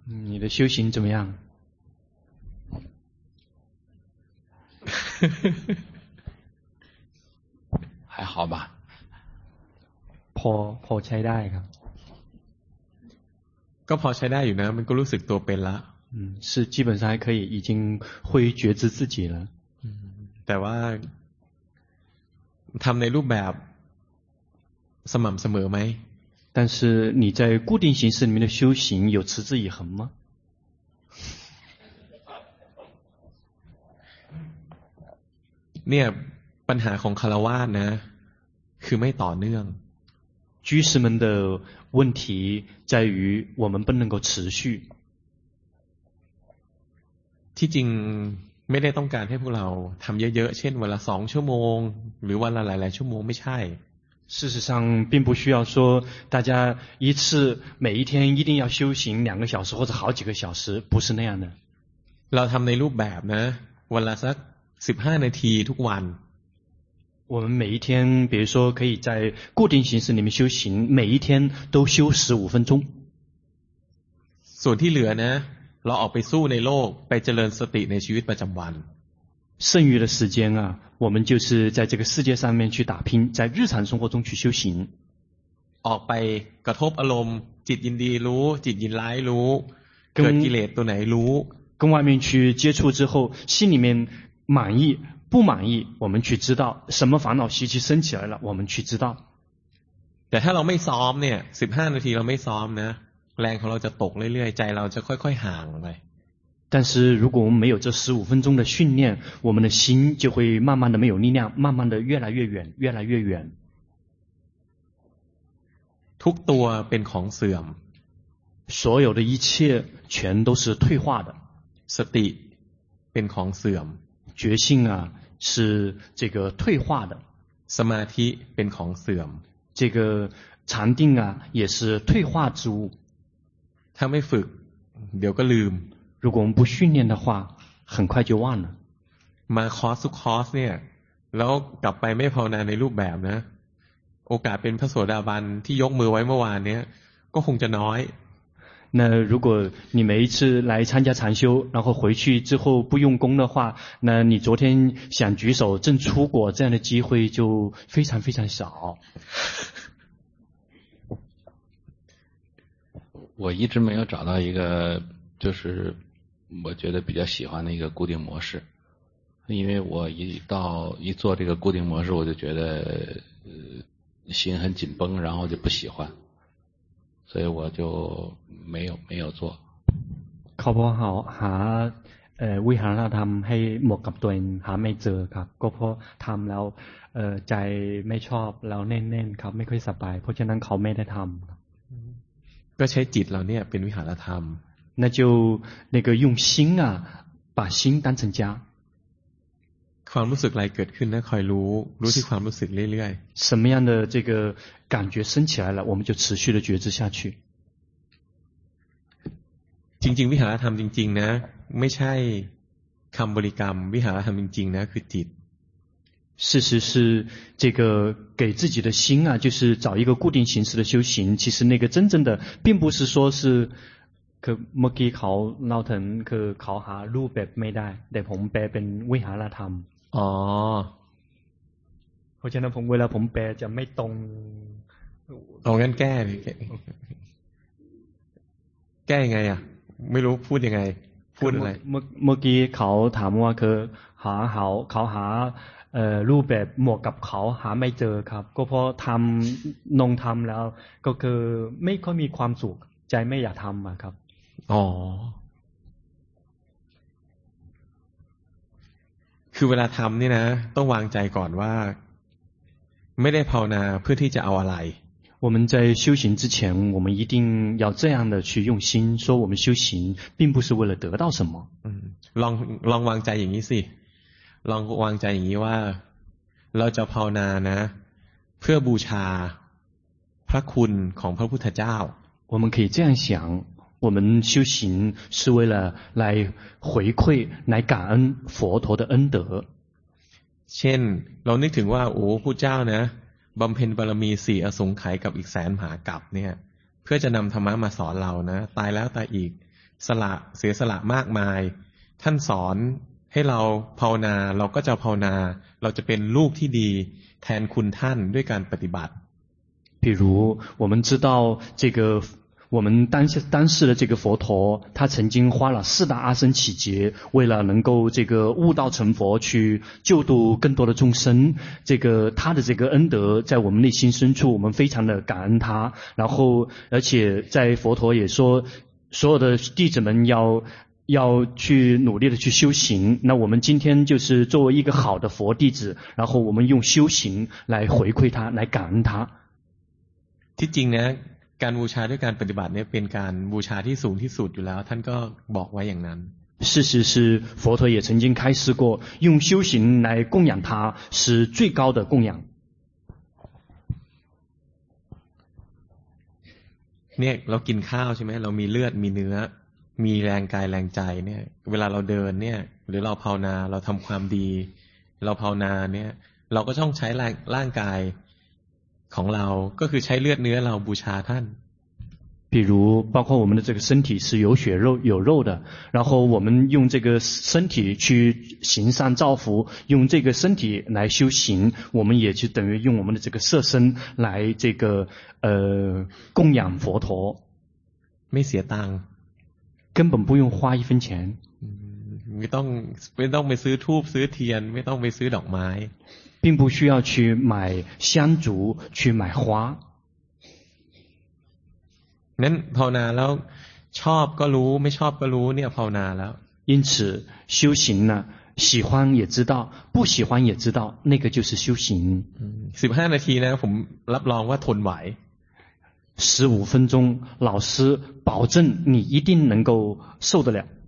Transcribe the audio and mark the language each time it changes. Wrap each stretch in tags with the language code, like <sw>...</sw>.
<zh>你的修行怎么样还好吧</zh> <th>พอใช้ได้ครับ ก็พอใช้ได้อยู่นะมันก็รู้สึกตัวเป็นละ</th> <zh>是基本上还可以已经会觉知自己了</zh> <th>แต่ว่าทำในรูปแบบสม่ำเสมอไหม</th> <zh>但是你在固定形式里面的修行有持之以恒吗</zh> <th>เนี่ยปัญหาของคารวาสนะคือไม่ต่อเนื่อง</th> <zh>居士们的问题在于我们不能够持续</zh> <th>ที่จริงไม่ได้ต้องการให้พวกเราทำเยอะๆเช่นวันละสองชั่วโมงหรือวันละหลายๆชั่วโมงไม่ใช่</th> <zh>事实上并不需要说大家一次每一天一定要修行两个小时或者好几个小时不是那样的</zh> <th>เราทำในรูปแบบนะวันละสัก15นาทีทุกวัน</th> <zh>我们每一天比如说可以在固定形式里面修行每一天都修15分钟</zh> <th>ส่วนที่เหลือนะเราออกไปสู้ในโลกไปเจริญสติในชีวิตประจำวัน</th> <zh>剩余的时间啊我们就是在这个世界上面去打拼在日常生活中去修行</zh> <th>ออกไปกระทบอารมณ์จิตยินดีรู้จิตยินร้ายรู้เกิดกิเลสตัวไหนรู้</th> <zh>跟外面去接触之后心里面满意不满意我们去知道什么烦恼习气升起来了我们去知道</zh> <th>แต่ถ้าเราไม่ซ้อมเนี่ย15นาทีเราไม่ซ้อมนะแรงของเราจะตกเรื่อยๆใจเราจะค่อยๆห่างไป</th> <zh>但是如果我们没有这十五分钟的训练，我们的心就会慢慢的没有力量，慢慢的越来越远，越来越远。</zh> <th>ทุกตัวเป็นของเสื่อม</th> <zh>所有的一切全都是退化的。</zh> <th>สติเป็นของเสื่อม</th> <zh>觉性啊是这个退化的。</zh> <th>สมาธิเป็นของเสื่อม</th> <zh>这个禅定啊也是退化之物。</zh> <th>ถ้าไม่ฝึกเดี๋ยวก็ลืม</th> <zh>如果我们不训练的话很快就忘了。</zh> <th>มาคอร์สทุกคอร์สเนี่ยแล้วกลับไปไม่ภาวนาในรูปแบบนะโอกาสเป็นพระโสดาบันที่ยกมือไว้เมื่อวานเนี้ยก็คงจะน้อย</th> <zh>那如果你每一次来参加禅修然后回去之后不用功的话那你昨天想举手正出果这样的机会就非常非常少我一直没有找到一个就是我觉得比较喜欢的一个固定模式因为我一做这个固定模式我就觉得心很紧绷然后就不喜欢所以我就没有做</zh> <th>เขาบอกหาวิหารธรรมให้หมดกับตัวเองหาไม่เจอครับก็เพราะทำแล้วใจไม่ชอบแล้วแน่นๆครับไม่ค่อยสบายเพราะฉะนั้นเขาไม่ได้ทำ ก็ใช้จิตเราเนี่ยเป็นวิหารธรรม</th> <zh>那就那个用心啊把心当成家</zh> <th>ความรู้สึกอะไรเกิดขึ้นนะคอยรู้ที่ความรู้สึกเรื่อย</th> <zh>ๆ什么样的这个感觉升起来了我们就持续的觉知下去</zh> <th>จริงๆวิหารธรรมจริงๆนะไม่ใช่คำบริกรรมวิหารธรรมจริงๆนะคือจิต</th> <zh>事实是这个给自己的心啊就是找一个固定形式的修行其实那个真正的并不是说是</zh> <th>คือเมื่อกี้เขาเล่าถึงคือเขาหารูปแบบไม่ได้แต่ผมแปลเป็นวิหารธรรม อ๋ อเพราะฉะนั้นผมเวลาผมแปลจะไม่ตรง ตรงกันแก้แก้ยังไงอ่ะไม่รู้พูดยังไงพูดอะไร เมื่อกี้เขาถามว่าคือเขาหารูปแบบหมวกกับเขาหาไม่เจอครับก็เพราะทำนงทำแล้วก็คือไม่ค่อยมีความสุขใจไม่อยากทำอ่ะครับ คือเวลาทำนี่นะต้องวางใจก่อนว่าไม่ได้ภาวนาเพื่อที่จะเอาอะไร</th> <zh>我们在修行之前我们一定要这样的去用心说我们修行并不是为了得到什么</zh> <th>ลองวางใจอย่างนี้สิลองวางใจอย่างนี้ว่าเราจะภาวนานะเพื่อบูชาพระคุณของพระพุทธเจ้า</th> <zh>我们可以这样想我们修行是为了来回馈来感恩佛陀的恩德</zh> <th>เช่นเรานึกถึงว่าโอ้พุทธเจ้านะบำเพ็ญบารมีสี่อสงไขยกับอีกแสนมหากัปเนี่ยเพื่อจะนำธรรมะมาสอนเรานะตายแล้วตายอีกสละเสียสละมากมายท่านสอนให้เราภาวนาเราก็จะภาวนาเราจะเป็นลูกที่ดีแทนคุณท่านด้วยการปฏิบัติ</th> <zh>比如我们知道这个我们当时的这个佛陀他曾经花了四大阿僧祇劫为了能够这个悟道成佛去救度更多的众生这个他的这个恩德在我们内心深处我们非常的感恩他然后而且在佛陀也说所有的弟子们要去努力的去修行那我们今天就是作为一个好的佛弟子然后我们用修行来回馈他来感恩他</zh> <th>ที่จริงนะการบูชาด้วยการปฏิบัติเนี่ยเป็นการบูชาที่สูงที่สุดอยู่แล้วท่านก็บอกไว้อย่างนั้น</th> <zh>事实是佛陀也曾经开示过用修行来供养他是最高的供养</zh> <th>เนี่ยเรากินข้าวใช่ไหมเรามีเลือดมีเนื้อมีแรงกายแรงใจเนี่ยเวลาเราเดินเนี่ยหรือเราภาวนาเราทำความดีเราภาวนาเนี่ยเราก็ต้องใช้ร่างกายของเราก็คือใช้เลือดเนื้อเราบูชาท่าน</th> <zh>比如包括我们的这个身体是有血肉有肉的然后我们用这个身体去行善造福用这个身体来修行我们也就等于用我们的这个色身来这个供养佛陀</zh> <th>ไม่เสียตัง</th> <zh>ค์根本不用花一分钱</zh> <th>ไม่ต้องไปซื้อธูปซื้อเทียนไม่ต้องไปซื้อดอกไม้</th> <zh>并不需要去买香烛去买花</zh> <th>นั้นภาวนาแล้วชอบก็รู้ไม่ชอบก็รู้เนี่ยภาวนาแล้ว</th> <zh>因此修行呢喜欢也知道不喜欢也知道那个就是修行</zh> <th>15นาทีนะผมรับรองว่าทนไหว</th> <zh>15分钟老师保证你一定能够受得了</zh>